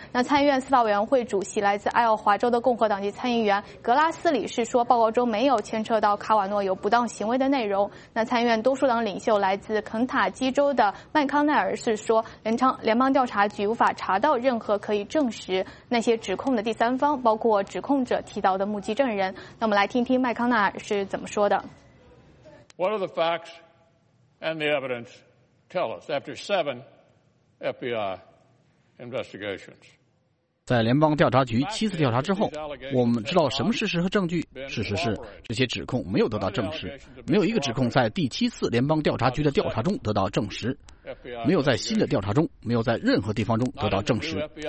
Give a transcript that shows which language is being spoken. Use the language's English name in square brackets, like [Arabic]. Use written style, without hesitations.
[Chinese] 那参议院司法委员会主席来自爱奥华州的共和党籍参议员格拉斯里是说报告中没有牵涉到卡瓦诺有不当行为的内容。那参议院多数党领袖来自肯塔基州的麦康奈尔是说联邦调查局无法查到任何可以证实那些指控的第三方，包括指控者提到的目击证人。那我们来听听麦康奈尔是怎么说的。 [English] What are the facts and the evidence tell us after seven FBI investigations? [Chinese] 在联邦调查局七次调查之后，我们知道什么事实和证据。事实是这些指控没有得到证实，没有一个指控在第七次联邦调查局的调查中得到证实，没有在新的调查中，没有在任何地方中得到证实。